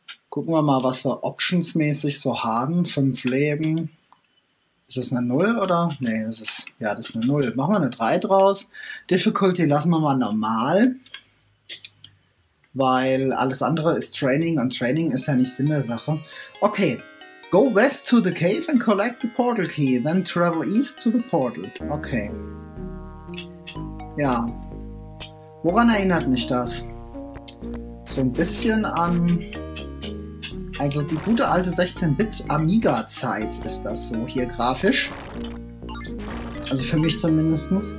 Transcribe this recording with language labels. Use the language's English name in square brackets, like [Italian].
[German] Gucken wir mal, was wir optionsmäßig so haben. 5 Leben. Ist das eine 0 oder? Nee, das ist. Ja, das ist eine 0. Machen wir eine 3 draus. Difficulty lassen wir mal normal. Weil alles andere ist Training und Training ist ja nicht Sinn der Sache. Okay. [English] Go west to the cave and collect the portal key. Then travel east to the portal. [German] Okay. Ja. Woran erinnert mich das? So ein bisschen an. Also die gute alte 16-Bit-Amiga-Zeit ist das so hier grafisch. Also für mich zumindest.